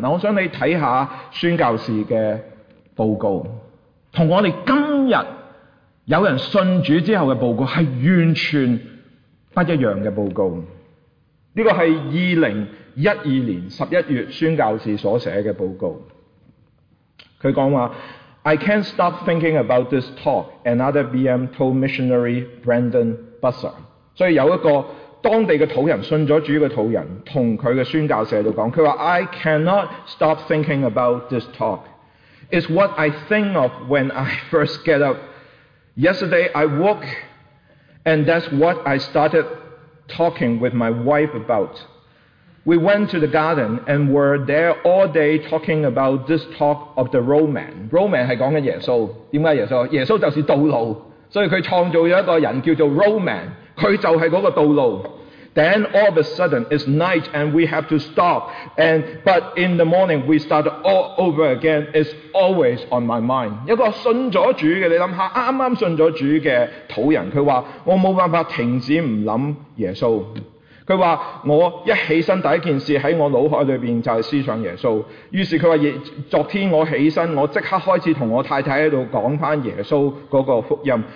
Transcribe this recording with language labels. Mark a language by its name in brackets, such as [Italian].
[Chinese] 我想你看下宣教士的报告，和我们今日有人信主之后的报告是完全不一样的报告。这个是2012年11月宣教士所写的报告。他讲话， [English] I can't stop thinking about this talk, another BM told missionary Brandon Busser. [Chinese] 所以有一个当地的土人，信了主的土人，跟他的宣教士在讲，他说 [English] I cannot stop thinking about this talk. It's what I think of when I first get up. Yesterday I woke and that's what I started talking with my wife about. We went to the garden and were there all day talking about this talk of the Roman. [Chinese] Roman 是讲的耶稣。为什么耶稣？耶稣就是道路，所以他创造了一个人叫做 Roman， 他就是那个道路。 [English] Then all of a sudden it's night and we have to stop. And, but in the morning we start all over again. It's always on my mind. [Chinese] 一个信了主的，你想想刚刚信了主的土人，他说我没办法停止不想耶稣。他说我一起身第一件事在我脑海里面就是思想耶稣。于是他说昨天我起身，我即刻开始跟我太太在讲回耶稣那个福音。